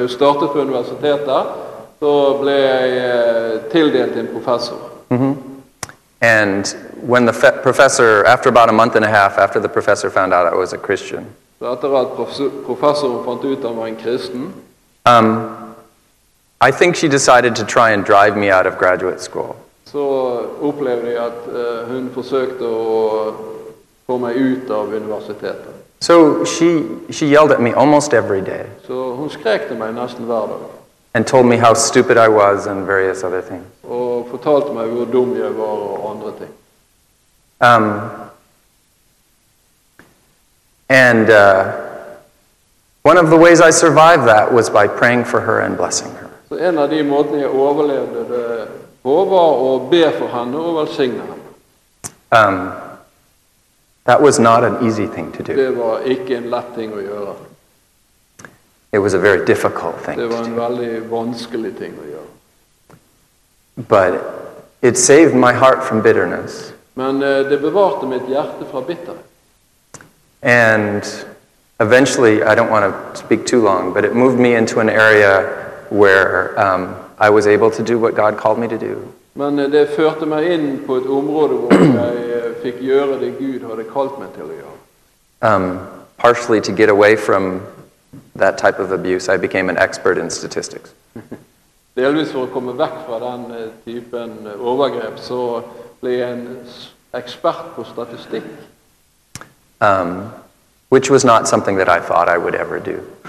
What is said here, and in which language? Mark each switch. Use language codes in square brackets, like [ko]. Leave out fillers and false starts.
[no] Jeg startet på universitetet, så ble jeg tildelt en professor. Mm-hmm. [en] And when the professor, after about a month and a half, after the professor found out I was a Christian, [no] så etter at professoren fant ut han var en kristen, [en] I think she decided to try and drive me out of graduate school. [no] Så opplevde jeg at hun forsøkte å få meg ut av universitetet. [en] So she yelled at me almost every day. [no] Så hun skrek til meg nesten hver dag. [en] and told me how stupid I was and various other things. [no] Og fortalte meg hvor dum jeg var og andre ting. [en] One of the ways I survived that was by praying for her and blessing her. [no] Så en av de måtene jeg overlevde det var å be for henne og velsigne henne. [en] That was not an easy thing to do. [no] Det var ikke en lett ting å gjøre. [en] It was a very difficult thing. [no] Det var en veldig vanskelig ting å gjøre. [en] But it saved my heart from bitterness. [no] Men det bevarte mitt hjerte fra bitterhet. [en] And eventually, I don't want to speak too long, but it moved me into an area where I was able to do what God called me to do. [no] Men det førte meg inn på et område hvor jeg fikk gjøre det Gud hadde kalt meg til å gjøre. [en] Partially to get away from that type of abuse, I became an expert in statistics. [no] Delvis for å komme vekk fra den typen overgrep, så ble jeg en ekspert på statistikk. [en] Which was not something that I thought I would ever do.